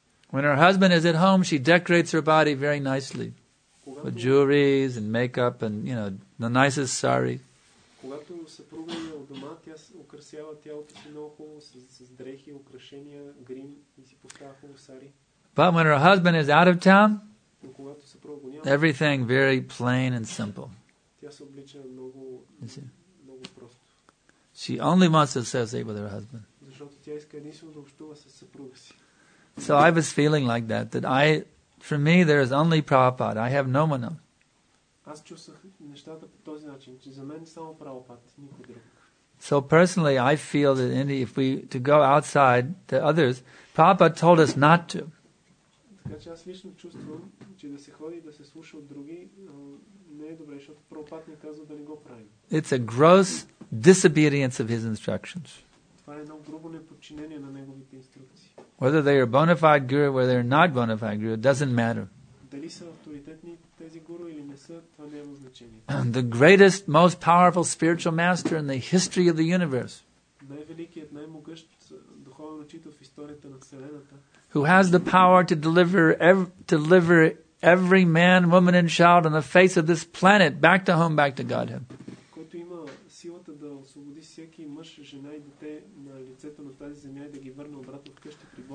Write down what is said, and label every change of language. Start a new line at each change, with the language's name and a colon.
English: When her husband is at home, she decorates her body very nicely with jewelries and makeup and, you know, the nicest sari. But when her husband is out of town, everything very plain and simple.
Bulgarian: тя се облича много, много просто.
English: She only wants to associate with her husband.
Bulgarian: Защото тя иска единствено да общува с съпруга си.
English: So I was feeling like that, that I, for me, there is only Prabhupada. I have no one else.
Bulgarian: Аз чувствах нещата по този начин, че за мен само Prabhupada, никой друг.
English: So personally, I feel that if we to go outside to others, Prabhupada told us not to.
Bulgarian: Така че аз лично чувствам, че да се ходи, да се слуша от други, не е добре, защото Prabhupada ни казва да не го правим.
English: It's a gross disobedience of his instructions.
Bulgarian: Това е едно грубо неподчинение на неговите инструкции.
English: Whether they are bona fide guru or they are not bona fide guru, it doesn't matter.
Bulgarian: Дали са авторитетни тези гуру или не са, това не има значение.
English: The greatest, most powerful spiritual master in the history of the universe.
Bulgarian: Най-великият, най-могъщ духовен учител в историята на Вселената.
English: Who has the power to deliver every man, woman and child on the face of this planet back to home, back to Godhead.
Bulgarian: Който има силата да освободи всеки мъж, жена и дете на лицето на тази земя и да ги върне обратно в къща.